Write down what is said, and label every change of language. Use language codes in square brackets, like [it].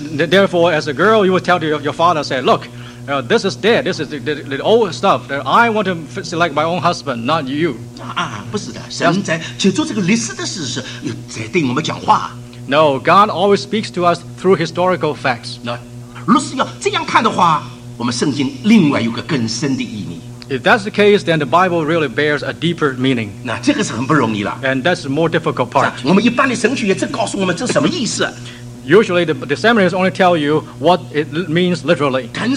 [en] therefore, as a girl, you would tell your father, say, look, this is dead, this is the old stuff, that I want to select my own husband, not you. [zh] 不是的,神在借助这个历史的事实,在对我们讲话。 [en] No, God always speaks to us through historical facts. [zh] 如果是要这样看的话, [en] if that's the case, then the Bible really bears a deeper meaning. [zh] 那这个是很不容易了, [en] and that's the more difficult part. [zh] 我们一般的神学也正告诉我们这是什么意思。 [en] Usually the seminaries only tell you what it means literally.